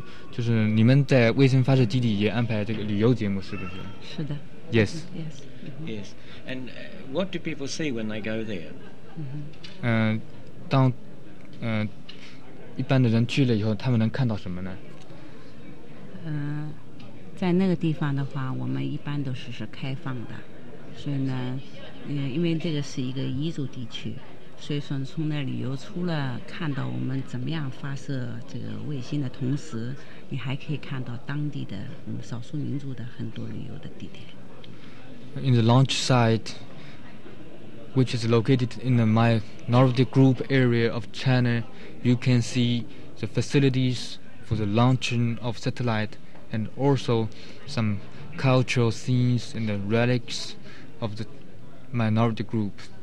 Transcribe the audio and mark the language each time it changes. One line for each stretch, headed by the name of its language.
Chinese: 就是你们在卫星发射基地也安排这个旅游节目，是不是？是的。
English: Yes. Yes. Yes. And what do people see when they go there?
Chinese: 当一般的人去了以后，他们能看到什么呢？在那个地方的话，我们一般都是开放的，所以呢，因为这个是一个彝族地区，所以说从那旅游出了，看到我们怎么样发射这个卫星的同时，你还可以看到当地的少数民族的很多旅游的地点。
English: In the launch site. Which is located in the minority group area of China, you can see the facilities for the launching of satellite and also some cultural scenes and the relics of the minority group.